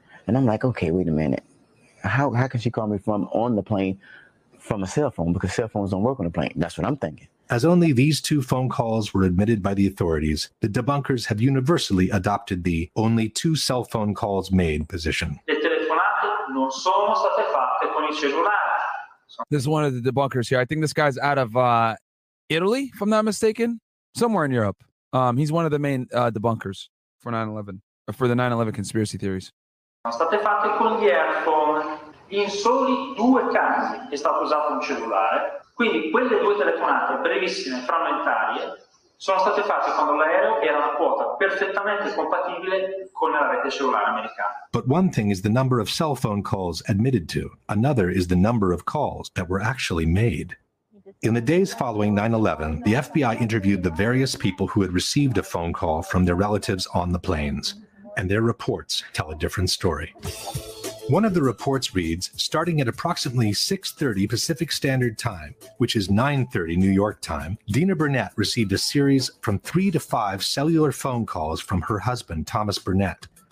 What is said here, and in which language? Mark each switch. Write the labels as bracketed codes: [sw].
[en] And I'm like, okay, wait a minute. How can she call me from on the plane from a cell phone? Because cell phones don't work on a plane. That's what I'm thinking. As only these two phone calls were admitted by the authorities, the debunkers have universally adopted the only two cell phone calls made position. [it] Le telefonate non sono state fatte con i cellulari. [en] This is one of the debunkers here. I think this guy's out of Italy, if I'm not mistaken, somewhere in Europe. He's one of the main debunkers for 9/11, for the 9/11 conspiracy theories. [it] State fatte con gli airphone. In soli due casi è stato usato un cellulare. Quindi quelle due telefonate brevissime, frammentarie, sono state fatte quando l'aereo era una quota perfettamente compatibile con la rete cellulare americana. [en] But one thing is the number of cell phone calls admitted to. Another is the number of calls that were actually made. In the days following 9/11, the FBI interviewed the various people who had received a phone call from their relatives on the planes. And their reports tell a different story. One of the reports reads, starting at approximately 6:30 Pacific Standard Time, which is 9:30 New York time, Dina Burnett received a series from 3 to 5 cellular phone calls from her husband, Thomas Burnett.